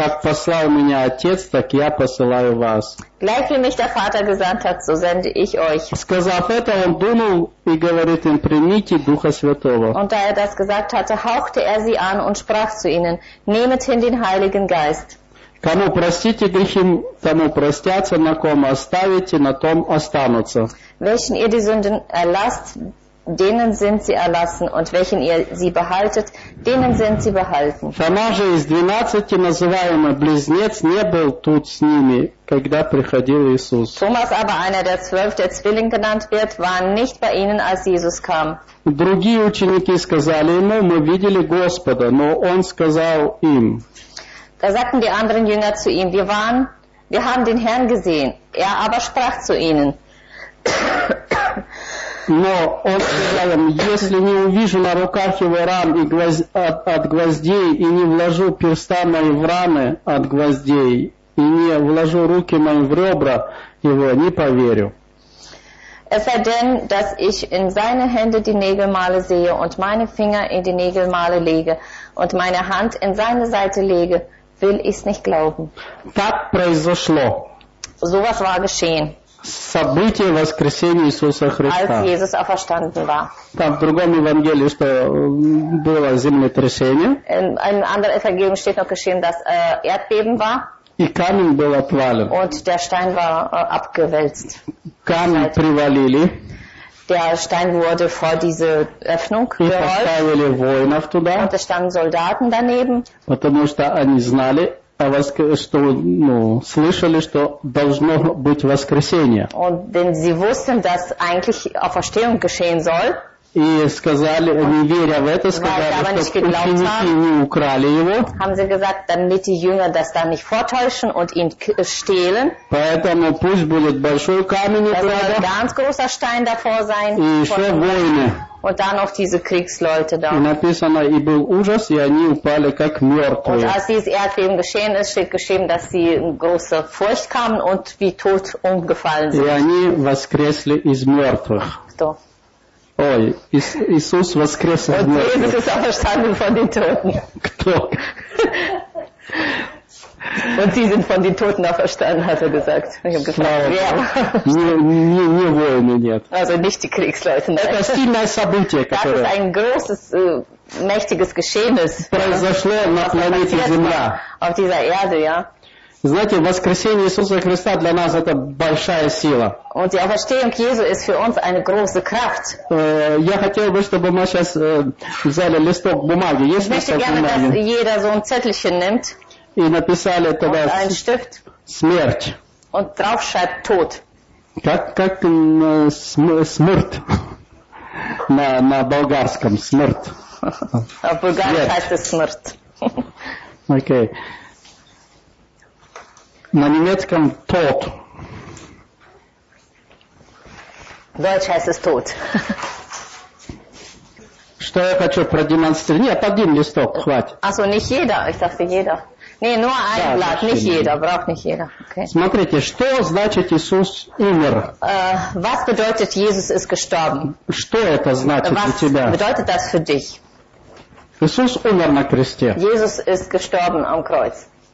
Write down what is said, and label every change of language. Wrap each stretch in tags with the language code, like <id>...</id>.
<ru>Как послал меня Отец, так я посылаю вас.</ru> <de>Gleich wie mich der Vater gesandt hat, so sende ich euch.</de> <ru>Сказав это, он дунул и говорит им: примите Духа Святого.</ru> <de>Und da er das gesagt hatte, hauchte er sie an und sprach zu ihnen: Nehmet hin den Heiligen Geist.</de> <ru>Кому простите грехи, тому простятся, на ком оставите, на том останутся.</ru> <de>Welchen ihr die Sünden erlasst, denen sind sie erlassen, und welchen ihr sie behaltet, denen sind sie behalten.</de> <ru>Фома же из двенадцати, называемый близнец, не был тут с ними, когда приходил Иисус.</ru> <de>Thomas aber, einer der zwölf, der Zwilling genannt wird, war nicht bei ihnen, als Jesus kam.</de> <ru>Другие ученики сказали ему: мы видели Господа, но он сказал им.</ru> <de>Da sagten die anderen Jünger zu ihm: wir haben den Herrn gesehen. Er aber sprach zu ihnen.</de> <ru>Но он сказал им: если не увижу на руках его ран и от гвоздей, и не вложу перста мои в раны от гвоздей, и не вложу руки мои в ребра его, не поверю.</ru> <de>Es sei denn, dass ich in seine Hände die Nägelmale sehe und meine Finger in die Nägelmale lege und meine Hand in seine Seite lege, will ich's nicht glauben.</de> <ru>Так произошло.</ru> <de>So was war geschehen.</de> <ru>Событие воскресения Иисуса Христа.</ru> <de>Als Jesus auferstanden war.</de> <ru>Там в другом Евангелии, что было землетрясение.</ru> <de>In anderen Evangelium steht noch geschehen, dass Erdbeben war.</de> <ru>И камень был отвален.</ru> <de>Und der Stein war abgewälzt.</de> <ru>Камень привалили.</ru> <de>Der Stein wurde vor diese Öffnung gerollt. Und da standen Soldaten daneben.</de> <ru>Потому что они знали, что, ну, слышали, что должно быть воскресение.</ru> <de>Und denn sie wussten, dass eigentlich Auferstehung geschehen soll.</de> <ru>И сказали, не веря в это, сказали, что ученики не украли его.</ru> <de>Haben sie gesagt, damit die Jünger das dann nicht vortäuschen und ihn stehlen.</de> <ru>Поэтому пусть будет большой камень.</ru> <de>Das soll ein ganz großer Stein davor sein.</de> <ru>И еще воины.</ru> <de>Und dann noch diese Kriegsleute da.</de> <ru>И написано: и был ужас, и они упали как мертвые.</ru> <de>Und als dieses Erdbeben geschehen ist, steht geschrieben, dass sie in große Furcht kamen und wie tot umgefallen sind.</de> <ru>И они воскресли из мертвых. Кто? Ой, Иисус воскрес из мертвых.</ru> <de>Иисус auferstanden von den Toten.</de> <ru>Кто?</ru> <de>Und sie sind von den Toten auferstanden, hat er gesagt. Ich habe gefragt, wer?</de> <ru>Не воины, нет.</ru> <de>Also nicht die Kriegsleute. Nein.</de> <ru>Это сильное событие, которое...</ru> <de>Das ist ein großes, mächtiges Geschehen.</de> <ru>Произошло на планете Земля.</ru> <de>Auf dieser Erde, ja.</de> <ru>Знаете, воскресение Иисуса Христа для нас это большая сила.</ru> <de>Und die Auferstehung Jesu ist für uns eine große Kraft.</de> <ru>Я хотел бы, чтобы мы сейчас взяли листок бумаги. Есть листок бумаги?</ru> <de>Ich möchte gerne, dass jeder so ein Zettelchen nimmt.</de> <ru>И написали тогда смерть.</ru> <de>Und drauf schreibt Tod.</de> <ru>Как смерть? На болгарском смерть. А в Болгарии это смерть. Окей. На немецком тот.</ru> <de>Deutsch heißt es tot.</de> <ru>Что я хочу продемонстрировать? Нет, один листок, хватит.</ru> <de>Also nicht jeder, ich dachte jeder. Nee, nur ein Blatt, verstehe. Nicht jeder, braucht nicht jeder. Okay.</de> <ru>Смотрите, что значит Иисус умер?</ru> <de>Was bedeutet Jesus ist gestorben?</de> <ru>Что это значит</ru> <de>was</de> <ru>для тебя?</ru> <de>Was bedeutet das für dich?</de> <ru>Иисус умер на кресте.</ru> <de>Jesus ist gestorben am Kreuz.</de>